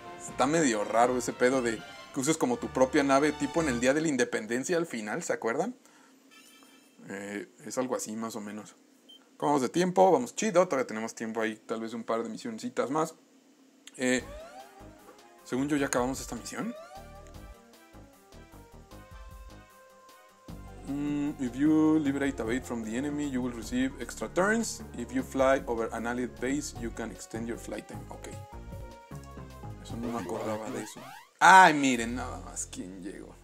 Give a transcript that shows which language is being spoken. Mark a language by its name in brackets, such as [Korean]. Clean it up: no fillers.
[Spanish] Está medio raro ese pedo de que uses como tu propia nave, tipo en el día de la independencia al final, ¿se acuerdan? Es algo así más o menos. ¿Cómo vamos de tiempo? Vamos chido, todavía tenemos tiempo ahí, tal vez un par de misioncitas más. Según yo ya acabamos esta misión. [English] If you liberate a bait from the enemy, you will receive extra turns. If you fly over an allied base, you can extend your flight time. Ok. [Spanish] Eso no me acordaba de eso. Ay, miren, nada más quién llegó.